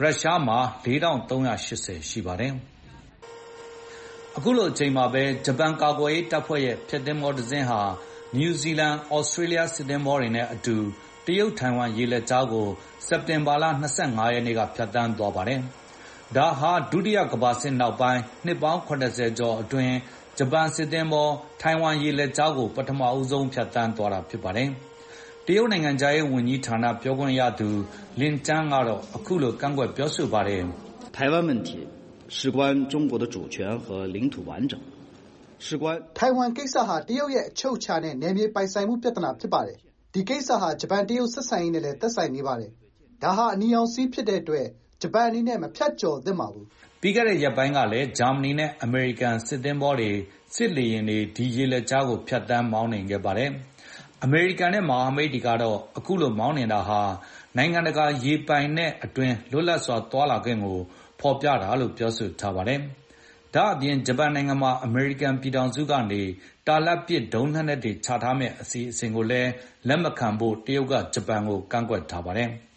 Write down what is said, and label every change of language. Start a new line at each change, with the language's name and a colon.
Burmese: ရုရှားမှာ4380ရှိပါတယ်အခုလိုအချိန်မှာပဲဂျပန်ကာကွယ်ရေးတပ်ဖွဲ့ရဲ့ဖြတ်သန်းမော်တဇင်းဟာနယူးဇီလန်ဩစတြေးလျစစ်တမ်းမော်တွေနဲ့အတူတရုတ်ထိုင်ဝမ်ရေလက်ကြားကိုစက်တင်ဘာလ25ရက်နေ့ကဖြတ်သန်းသွားပါတယ် ဒါဟာဒုတိယကမ္ဘာစစ်နောက်ပိုင်းနှစ်ပေါင်း80ကျော်အတွင်းဂျပန်စစ်တမ်းပေါ်ထိုင်ဝမ်ရေလက်ကြားကိုပထမဦးဆုံးဖြတ်သန်းသွားတာဖြစ်ပါတယ်တရုတ်နိုင်ငံသားရဲ့ဝန်ကြီးဌာနပြောခွင့်ရသူလင်တန်းကတော့အခုလိုကန့်ကွက်ပြောဆိုပါတယ်
Chinese: 台湾问题事关中国的主权和领土完整事关
Burmese: 台湾ကိစ္စဟာတရုတ်ရဲ့အချုပ်အခြာနဲ့နယ်မြေပိုင်ဆိုင်မှုပြဿနာဖြစ်ပါတယ်ဒီကိစ္စဟာဂျပန်တရုတ်ဆက်ဆံရေးနဲ့လည်းသက်ဆိုင်နေပါတယ်ဒါဟာအနီအောင်စီးဖြစ်တဲ့အတွက်ဂျပန်အနေနဲ့မဖြတ်ကျော်သင့်ပါဘူး ပြီးခဲ့တဲ့ရက်ပိုင်းကလည်းဂျာမနီနဲ့အမေရိကန်စစ်သင်္ဘောတွေစစ်လေရင်တွေဒီရေလက်ကြားကိုဖြတ်တန်းမောင်းနေခဲ့ပါတယ်။အမေရိကန်နဲ့မဟာမိတ်တွေကတော့အခုလိုမောင်းနေတာဟာနိုင်ငံတကာရေပိုင်နဲ့အတွင်းလွတ်လပ်စွာသွာလာခြင်းကိုဖော်ပြတာလို့ပြောဆိုထားပါတယ်။ဒါအပြင်ဂျပန်နိုင်ငံမှာအမေရိကန်ပြည်ထောင်စုကနေတာလတ်ပစ်ဒုံးနှက်တွေခြားထားမဲ့အစီအစဉ်ကိုလည်းလက်မခံဖို့တရုတ်ကဂျပန်ကိုကန့်ကွက်ထားပါတယ်